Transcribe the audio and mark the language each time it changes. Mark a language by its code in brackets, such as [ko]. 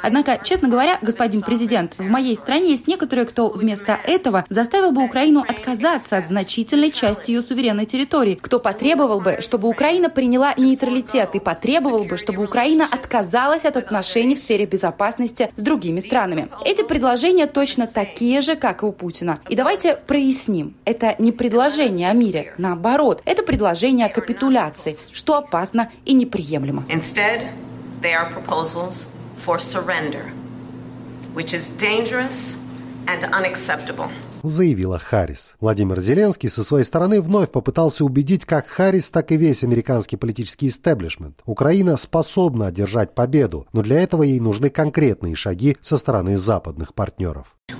[ru] Однако, честно говоря, господин президент, в моей стране есть некоторые, кто вместо этого заставил бы Украину отказаться от значительной части ее суверенной территории, кто потребовал бы, чтобы Украина приняла нейтралитет и потребовал бы, чтобы Украина отказалась от отношений в сфере безопасности с другими странами. Эти предложения точно такие же, как и у Путина. И давайте проясним. Это не предложение о мире, наоборот, это предложение о капитуляции, что опасно и неприемлемо. [en] Instead, they are proposals for surrender, which is dangerous and unacceptable. [ru] заявила Харрис. Владимир Зеленский со своей стороны вновь попытался убедить как Харрис, так и весь американский политический истеблишмент. Украина способна одержать победу, но для этого ей нужны конкретные шаги со стороны западных партнеров.